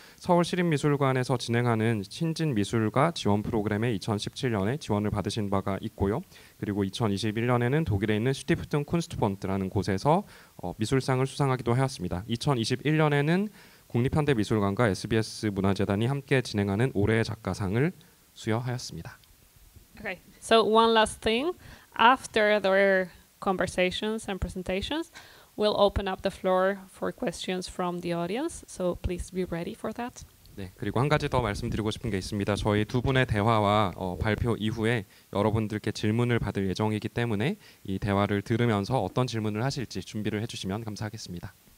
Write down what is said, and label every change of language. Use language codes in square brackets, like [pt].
[ko] 서울시립미술관에서 진행하는 신진미술가 지원 프로그램에 2017년에 지원을 받으신 바가 있고요. 그리고 2021년에는 독일에 있는 슈티프퉁 쿤스트본트라는 곳에서 미술상을 수상하기도 하였습니다. 2021년에는 국립현대미술관과 SBS 문화재단이 함께 진행하는 올해의 작가상을 수여하였습니다. [en] Okay, so one last thing. After the conversations and presentations, we'll open up the floor for questions from the audience. So please be ready for that. [ko] 네, 그리고 한 가지 더 말씀드리고 싶은 게 있습니다. 저희 두 분의 대화와 발표 이후에 여러분들께 질문을 받을 예정이기 때문에 이 대화를 들으면서 어떤 질문을 하실지 준비를 해주시면 감사하겠습니다.